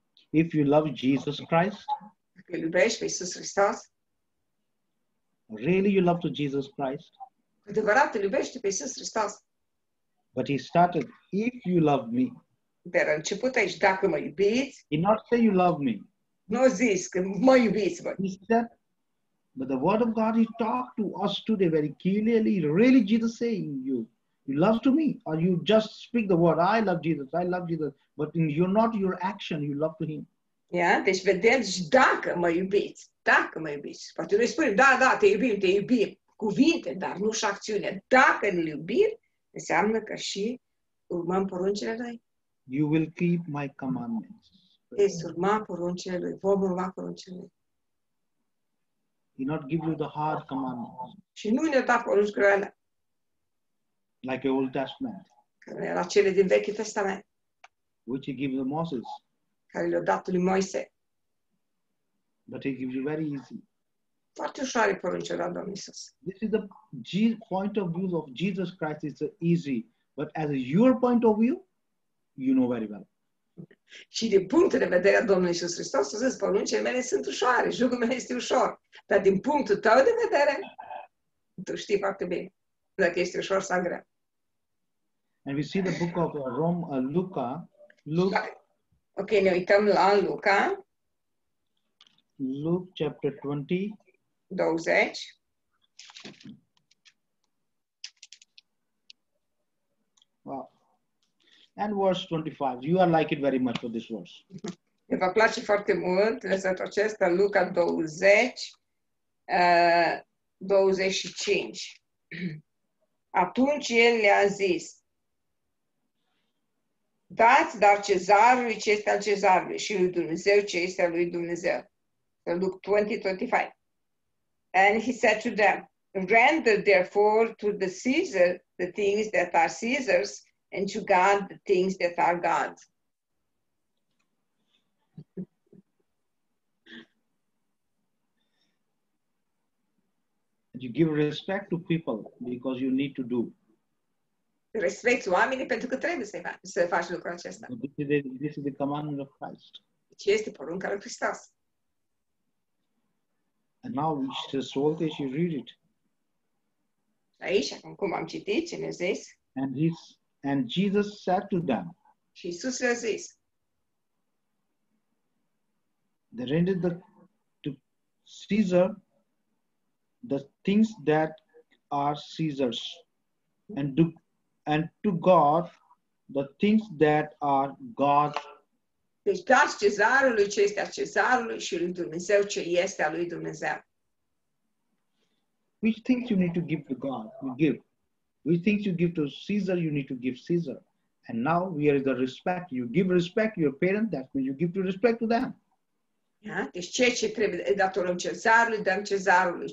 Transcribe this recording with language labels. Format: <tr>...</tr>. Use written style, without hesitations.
<en>If you love Jesus Christ.</en> <ro>Dacă iubești pe Iisus Hristos.</ro> <en>Really you love to Jesus Christ?</en> <ro>Adevărat, îl iubești pe Iisus Hristos.</ro> <en>But he started, if you love me.</en> <ro>Dar a început aici, dacă mă iubiți.</ro> <en>He not say you love me.</en> <ro>Nu zis că mă iubiți.</ro> <en>He said, but the word of God, he talked to us today very clearly. Really Jesus saying you love to me. Or you just speak the word, I love Jesus. But in you're not your action, you love to him.</en> <ro>Yeah, deci vedem și dacă mă iubiți. Dacă mă iubiți. Poate noi spunem, da, te iubim. Cuvinte, dar nu și acțiune. Dacă îl iubim, înseamnă că și urmăm poruncile lui.</ro> <en>You will keep my commandments.</en> <ro>Veți urma poruncile lui. Vom urma poruncile lui.</ro> <en>He not give you the hard commandments.</en> <ro>Și nu ne da porunci grele.</ro> <en>Like the Old Testament.</en> <ro>Care era cele din Vechiul Testament.</ro> <en>Which he gives to Moses.</en> <ro>Care le-a dat lui Moise.</ro> <en>But he gives you very easy.</en> <ro>Foarte ușoare poruncile la Domnul Iisus.</ro> <en>This is the point of view of Jesus Christ. It's easy. But as your point of view, you know very well.</en> <ro>Și din punctul de vedere a Domnului Iisus Hristos, să zic, poruncile mele sunt ușoare, jugul meu este ușor. Dar din punctul tău de vedere, tu știi foarte bine dacă este ușor sau grea.</ro> <en>And we see the book of Rome, Luca.</en> <ro>Ok, ne uităm la Luca.</ro> <en>Luke chapter 20.</en> <ro>20.</ro> <en>Wow. And verse 25. You are like it very much for this verse.</en> <ro>Mi va place foarte mult versetul acesta, Luca 20, 25. Atunci el le-a zis: dați dar cezarului ce este al cezarului și lui Dumnezeu ce este al lui Dumnezeu.</ro> <en>Luke 20:25. And he said to them, render therefore to the Caesar the things that are Caesar's, and to God the things that are God's. You give respect to people because you need to do.</en> <ro>Respect oamenii pentru că trebuie să faci lucrul acesta.</ro> <en>This is the commandment of Christ.</en> <ro>Ce este porunca lui Hristos?</ro> <en>And now, just as old as you read it.</en> <ro>Aici, cum am citit, ce ne zis?</ro> <en>And Jesus said to them.</en> <ro>Și Iisus le-a zis.</ro> <en>They rendered to Caesar the things that are Caesar's, and to God the things that are God's.</en> <ro>Deci dați cezarului ce este a cezarului și lui Dumnezeu ce este a lui Dumnezeu.</ro> <en>Which things you need to give to God, you give. Which things you give to Caesar, you need to give Caesar. And now we are the respect. You give respect to your parents, that means you give to respect to them. Yeah?</en> <ro>Deci ceea ce trebuie datorăm cezarului, dăm cezarului.</ro>